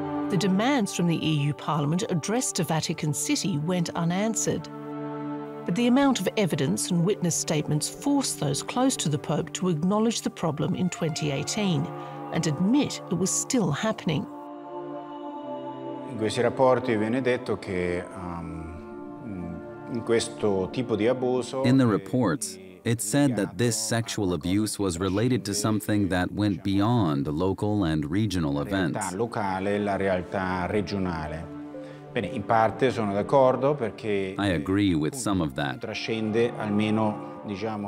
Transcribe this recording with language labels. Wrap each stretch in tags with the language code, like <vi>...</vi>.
<en>The demands from the EU Parliament addressed to Vatican City went unanswered. But the amount of evidence and witness statements forced those close to the Pope to acknowledge the problem in 2018 and admit it was still happening.</en> <it>In questi rapporti viene detto che in questo tipo di abuso.</it> <en>In the reports, it said that this sexual abuse was related to something that went beyond local and regional events.</en> <it>La realtà locale, la realtà regionale. Bene, in parte sono d'accordo perché</it> <en>I agree with some of that.</en> <it>Trascende almeno, diciamo,</it>